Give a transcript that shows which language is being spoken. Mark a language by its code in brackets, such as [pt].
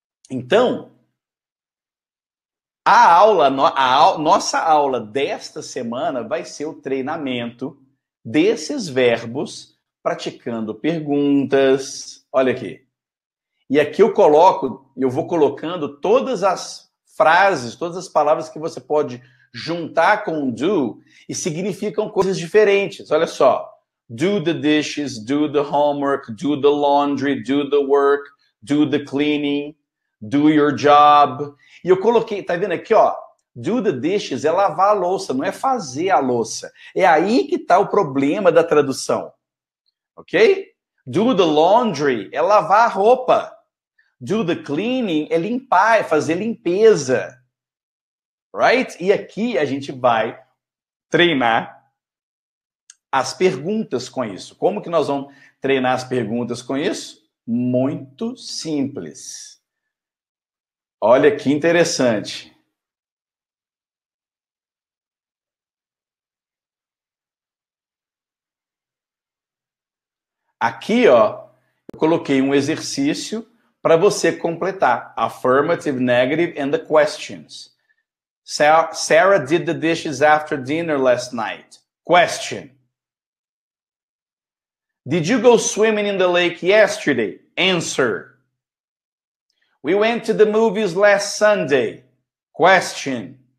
[pt] Então, nossa aula desta semana vai ser o treinamento desses verbos praticando perguntas. Olha aqui. E aqui eu vou colocando todas as frases, todas as palavras que você pode juntar com do e significam coisas diferentes. Olha só. [en] Do the dishes, do the homework, do the laundry, do the work, do the cleaning, do your job. [pt] E eu coloquei, tá vendo aqui, ó? [en] Do the dishes [pt] é lavar a louça, não é fazer a louça. É aí que tá o problema da tradução. Ok? [en] Do the laundry [pt] é lavar a roupa. [en] Do the cleaning [pt] é limpar, é fazer limpeza. [en] Right? [pt] E aqui a gente vai treinar as perguntas com isso. Como que nós vamos treinar as perguntas com isso? Muito simples. Olha que interessante. Aqui, ó, eu coloquei um exercício para você completar. [en] Affirmative, negative, and the questions. Sarah did the dishes after dinner last night. Question. Did you go swimming in the lake yesterday? Answer. We went to the movies last Sunday. Question.